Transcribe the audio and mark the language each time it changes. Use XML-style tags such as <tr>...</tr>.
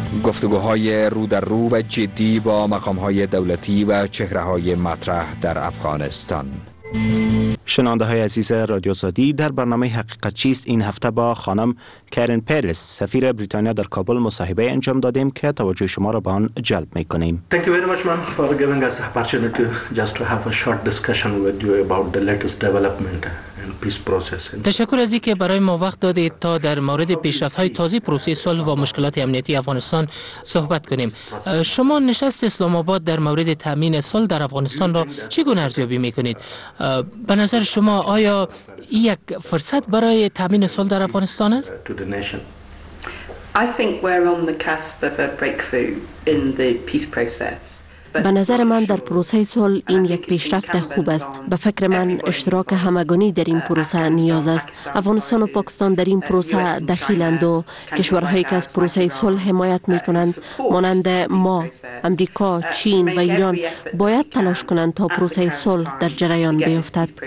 <fa>گفتگوهای رو در رو و جدی با مقامهای دولتی و چهرههای مطرح در افغانستان. شنونده های عزیز رادیو سادی، در برنامه حقیقت چیست این هفته با خانم کارن پیرس سفیر بریتانیا در کابل مصاحبه انجام دادیم که توجه شما را به آن جلب می کنیم.</fa> <en>Thank you very much ma'am for giving us opportunity to just to have a short discussion with you about the latest development and peace process.</en> <fa>تشکر از اینکه برای ما وقت دادید تا در مورد پیشرفت های تازه پروسه صلح و مشکلات امنیتی افغانستان صحبت کنیم. شما نشست اسلام آباد در مورد تامین صلح در افغانستان را چگونه ارزیابی می کنید؟ به نظر شما آیا یک فرصت برای تامین صلح در افغانستان است؟</fa> <en>I think we're on the cusp of a breakthrough in the peace process.</en> <fa>به نظر من در پروسه صلح این یک پیشرفت خوب است. به فکر من اشتراک همگانی در این پروسه نیاز است. افغانستان و پاکستان در این پروسه دخیلند و کشورهایی که از پروسه صلح حمایت می کنند مانند ما، امریکا، چین و ایران باید تلاش کنند تا پروسه صلح در جریان بیفتد.</fa>